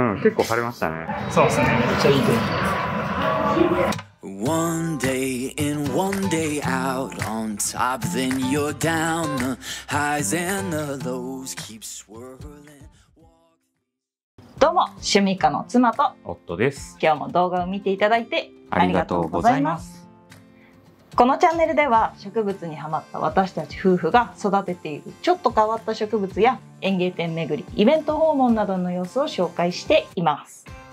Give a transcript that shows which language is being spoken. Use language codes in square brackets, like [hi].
[ja] うん、結構晴れましたね。そうですね。めっちゃいい天気。 [en] One day in, one day out, on top, then you're down, the highs and the lows keep swirling. [ja] どうも、趣味家の妻と夫です。今日も動画を見ていただいてありがとうございます。このチャンネルでは植物にハマった私たち夫婦が育てているちょっと変わった植物や園芸店巡り、イベント訪問などの様子を紹介しています。